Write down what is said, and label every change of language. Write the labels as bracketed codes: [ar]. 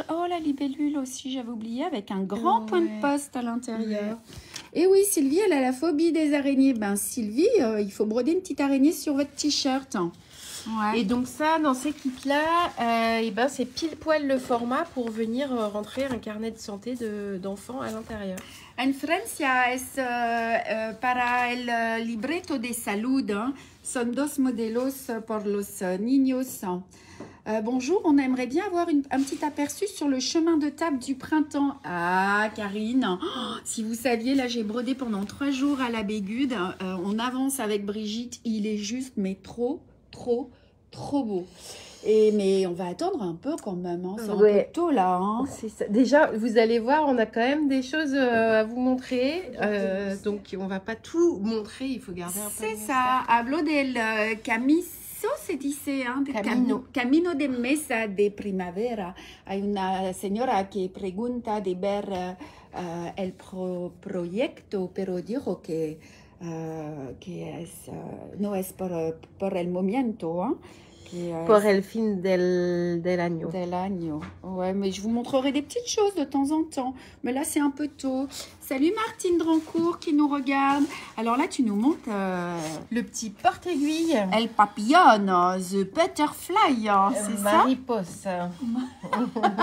[fr] Oh, la libellule aussi, j'avais oublié, avec un grand point de poste à l'intérieur. Ouais. Et oui, Sylvie, elle a la phobie des araignées. Ben Sylvie, il faut broder une petite araignée sur votre t-shirt. Ouais. Et donc ça, dans ces kits-là, c'est pile poil le format pour venir rentrer un carnet de santé d'enfants à l'intérieur. [es] En Francia, es para el libreto de salud, hein, son dos modelos por los niños. [fr] Bonjour, on aimerait bien avoir un petit aperçu sur le chemin de table du printemps. Ah, Karine, oh, si vous saviez, là, j'ai brodé pendant 3 jours à la Bégude. On avance avec Brigitte, il est juste, mais trop... Trop, trop beau. Et mais on va attendre un peu quand même. Hein. C'est un peu tôt là. Hein. C'est ça. Déjà, vous allez voir, on a quand même des choses à vous montrer. Donc, on va pas tout montrer. Il faut garder un peu. C'est ça. [es] Hablo del camiso, se dice. Hein, de camino de mesa de primavera. Hay una señora que pregunta de ver el proyecto, pero dijo que que es no es por el momento, hein, que por el fin del año. Del año. [fr] Ouais, mais je vous montrerai des petites choses de temps en temps, mais là c'est un peu tôt. Salut Martine Drancourt qui nous regarde. Alors là tu nous montres le petit porte-aiguille. El papillon, [en] the butterfly, [fr] hein, c'est [es] Mariposa. Ça. Mariposa.